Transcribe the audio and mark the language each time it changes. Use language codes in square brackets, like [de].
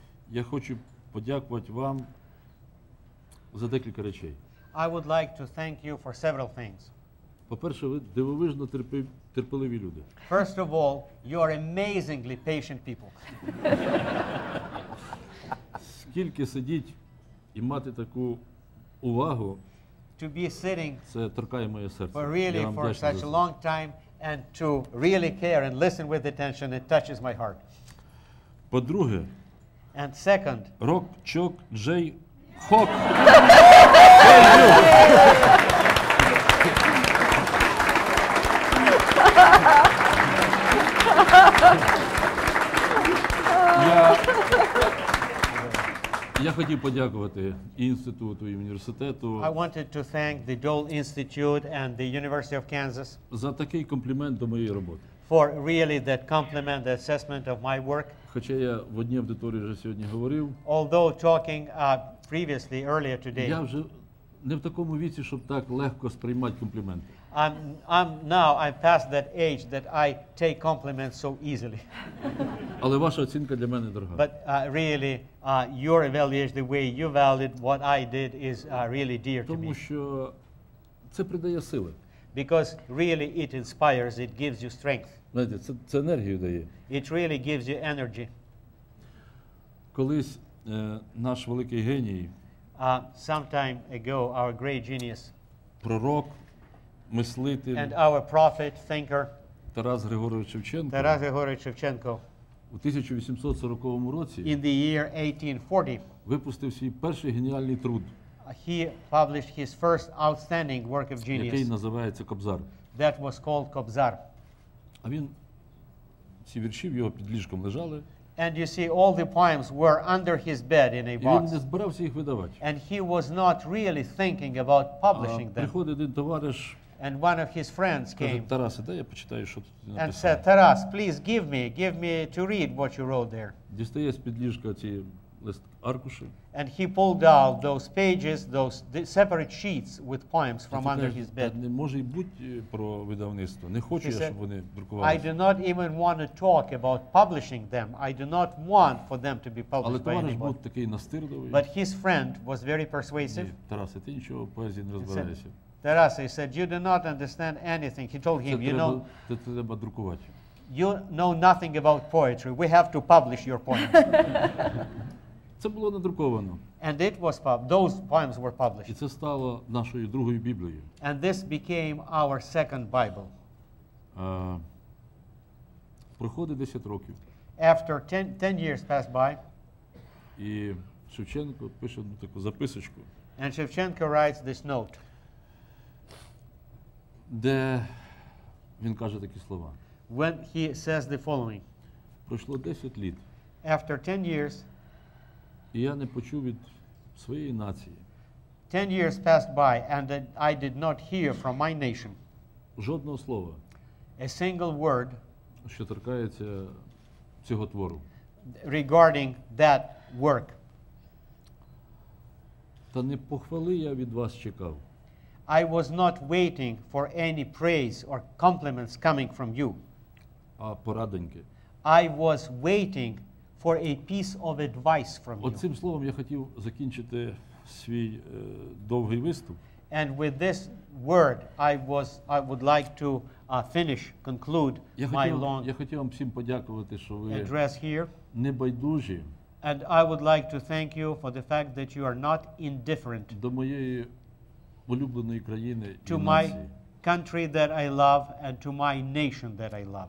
[uk] я хочу подякувати вам за декілька речей. [en] I would like to thank you for several things. [uk] По-перше, ви дивовижно терпеливі люди. [en] First of all, you are amazingly patient people. [uk] Скільки сидіть і мати таку увагу, [en] to be sitting, [uk] це торкає моє серце. [en] But really, for such a long time, and to really care and listen with attention, it touches my heart. [uk] По-друге, [en] and second, Rock Chok Jay Hawk. [uk] Я хотів подякувати і інституту, і університету. [en] I wanted to thank the Dole Institute and the University of Kansas [uk] за такий комплімент до моєї роботи. [en] For really that compliment, the assessment of my work. [uk] Хоча я в одній аудиторії вже сьогодні говорив. [en] Although talking previously, earlier today. [uk] Я вже не в такому віці, щоб так легко сприймати компліменти. [en] I'm past that age that I take compliments so easily. [uk] Але ваша оцінка для мене дорога. [en] But really, your evaluation, the way you valued what I did is really dear to me. [uk] Тому що це придає сили. [en] Because really it inspires, it gives you strength. [uk] Знаєте, це енергію дає. [en] It really gives you energy. [uk] Колись наш великий геній, [en] some time ago, our great genius, [uk] пророк, мислитель, [en] and our prophet, thinker, [uk] Тарас Григорович Шевченко, [en] Тарас Григорович Шевченко, [uk] у 1840 році, [en] in the year 1840, [uk] випустив свій перший геніальний труд, [en] he published his first outstanding work of genius, [uk] який називається Кобзар. [en] That was called Кобзар. [uk] А він, ці вірші в його під ліжком лежали. [en] And you see, all the poems were under his bed in a box. [uk] І він не збирався їх видавати. [en] And he was not really thinking about publishing them. [uk] Приходить один товариш, [en] and one of his friends came, [uk] Тарас, дай я почитаю, що тут написано. [en] And said, Тарас, please give me to read what you wrote there. [uk] Дістає з-під ліжка ці лист аркуші. [en] And he pulled out those pages, those separate sheets with poems from under his bed. [uk] Не може й бути про видавництво. Не хочу я, щоб вони друкувалися. [en] I do not even want to talk about publishing them. I do not want for them to be published by anybody. [uk] Але товариш був такий настирливий. [en] But his friend was very persuasive. [uk] Тарас, ти нічого поезії не розбираєшся. [en] Тарас, he said, you do not understand anything. He told him, you know, [uk] це треба друкувати. [en] You know nothing about poetry. We have to publish your poems. [uk] Це було надруковано. [en] And it was published. Those poems were published. [uk] І це стало нашою другою Біблією. [en] And this became our second Bible. [uk] Проходить 10 років. [en] After 10 years passed by. [uk] І Шевченко пише таку записочку. [en] And Шевченко writes this note. [uk] Де він каже такі слова. [en] When he says the following. [uk] Пройшло 10 літ. [en] After 10 years. [uk] І я не почув від своєї нації. [en] 10 years passed by and I did not hear from my nation. [uk] Жодного слова. [en] A single word. [uk] Що торкається цього твору. [en] Regarding that work. [uk] Та не похвали я від вас чекав. [en] I was not waiting for any praise or compliments coming from you. [uk] А порадоньки. [en] I was waiting for a piece of advice from you. [uk] Оцим словом я хотів закінчити свій довгий виступ. [en] And with this word I would like to finish, conclude my long address here. [uk] Небайдужі. [en] And I would like to thank you for the fact that you are not indifferent to my country that I love and to my nation that I love.